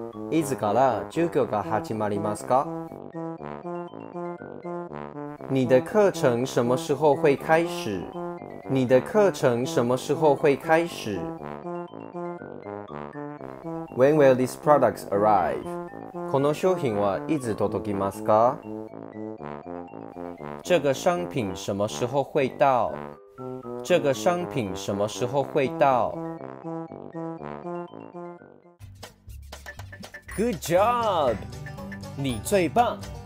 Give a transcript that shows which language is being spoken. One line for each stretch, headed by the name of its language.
Japanese: いつから授業が始まりますか？
Chinese: 你的课程什么时候会开始？你的课程什么时候会开始？
English: When will these products arrive?
Japanese: この商品はいつ届きますか？
Chinese: 这个商品什么时候会到？这个商品什么时候会到？
English: Good job!
Chinese: 你最棒！